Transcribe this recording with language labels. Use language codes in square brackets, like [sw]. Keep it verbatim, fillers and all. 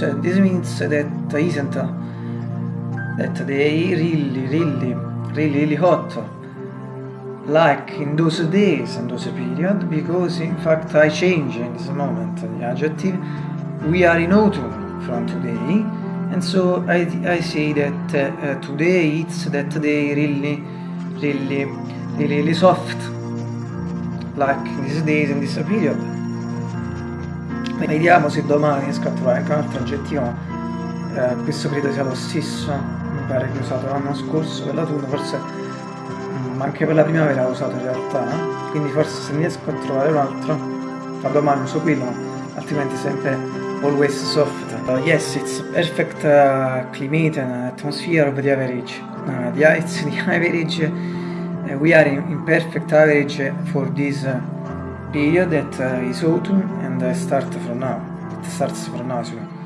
[en] Uh, this means that isn't uh, that they really, really, really, really hot, like in those days and those period, because in fact I change in this moment the adjective. We are in autumn from today, and so I I say that uh, uh, today it's that they really, really, really, really soft, like in these days and this period. [it] Vediamo se domani riesco a trovare anche un altro aggettivo. Eh, questo credo sia lo stesso, mi pare che ho usato l'anno scorso per l'autunno, forse ma anche per la primavera l'ho usato in realtà, quindi forse se ne riesco a trovare un altro da domani uso quello, altrimenti sempre [en] always soft. Uh, yes, it's perfect uh, climate and atmosphere of the average. Uh, the, it's the average, uh, we are in, in perfect average for this uh, period that uh, is autumn and I start from now. It starts from now, so.